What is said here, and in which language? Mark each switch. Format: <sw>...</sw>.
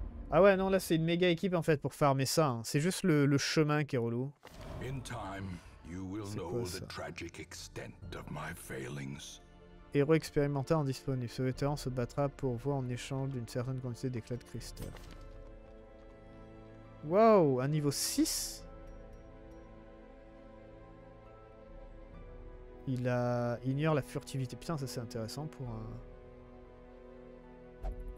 <fr>Ah ouais, non, là c'est une méga équipe en fait pour farmer ça. Hein. C'est juste le chemin qui est relou.</fr> <en>In time, you will know the tragic extent of my failings.</en> <fr>Héros expérimenté en disponible. Ce vétéran se battra pour vous en échange d'une certaine quantité d'éclats de cristal. Wow, un niveau 6? Il a ignore la furtivité. Putain, ça c'est intéressant pour un...</fr>